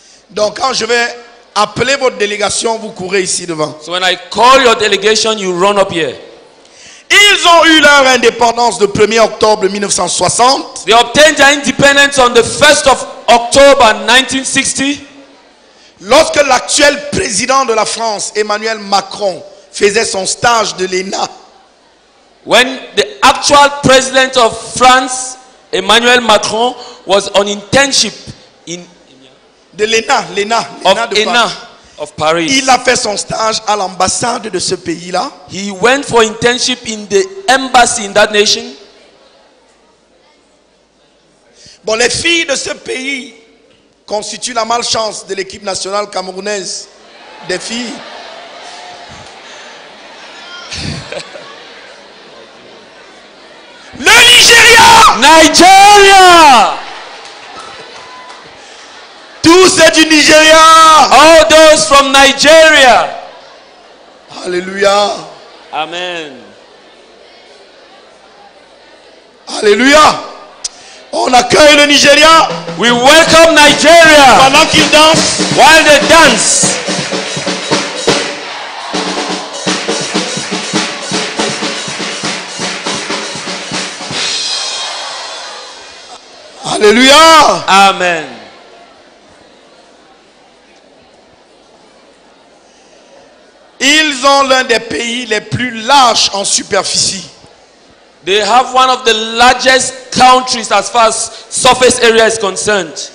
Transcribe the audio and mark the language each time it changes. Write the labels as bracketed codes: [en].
[fr] Donc quand je vais appeler votre délégation, vous courez ici devant. [en] So when I call your delegation, you run up here. [fr] Ils ont eu leur indépendance le 1er octobre 1960. [en] They obtained their independence on the 1st of October 1960. [fr] Lorsque l'actuel président de la France, Emmanuel Macron, faisait son stage de l'ENA. [en] When the actual president of France, Emmanuel Macron, was on internship in [fr] de l'ENA, l'ENA [en] of Paris. [fr] Il a fait son stage à l'ambassade de ce pays-là. [en] He went for internship in the embassy in that nation. [fr] Bon, les filles de ce pays constituent la malchance de l'équipe nationale camerounaise des filles. Le Nigeria! [en] Nigeria! [fr] Tous ceux du Nigeria! [en] All those from Nigeria! [fr] Alléluia! [en] Amen! [fr] Alléluia! On accueille le Nigeria! [en] We welcome Nigeria! [fr] Pendant qu'ils dansent! [en] While they dance! [fr] Alléluia! [en] Amen! [fr] Ils ont l'un des pays les plus larges en superficie. [en] They have one of the largest countries as far as surface area is concerned.